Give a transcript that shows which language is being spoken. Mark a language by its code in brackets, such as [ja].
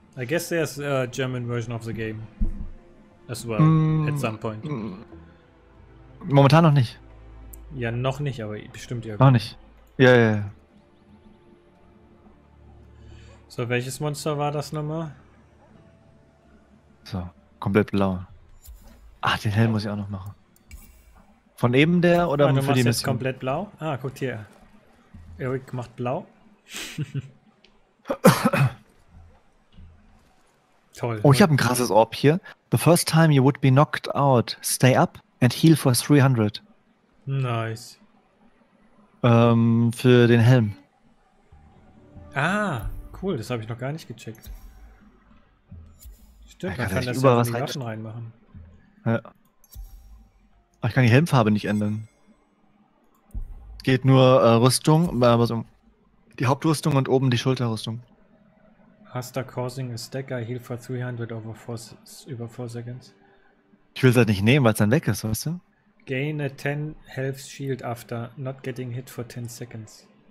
[en] I guess there's a German version of the game as well at some point. [de] Momentan noch nicht. Ja, noch nicht, aber bestimmt ja. Noch nicht. Ja. So, welches Monster war das nochmal? So, komplett blau. Ach, den Helm muss ich auch noch machen. Von eben der oder du für machst die jetzt Mission? Komplett blau? Ah, guck hier. Eric macht blau. Toll. Oh, ich habe ein krasses Orb hier. [en] The first time you would be knocked out, stay up and heal for 300. Nice. [de] Für den Helm. Ah, cool. Das habe ich noch gar nicht gecheckt. Stimmt, ja, man kann das über ja was in die Waffen reinmachen. Ja. Aber ich kann die Helmfarbe nicht ändern. Geht nur Rüstung, also die Hauptrüstung und oben die Schulterrüstung. [en] Haster causing a stagger, heal for 300 over 4 seconds. [de] Ich will es halt nicht nehmen, weil es dann weg ist, weißt du? [en] Gain a 10 health shield after not getting hit for 10 seconds.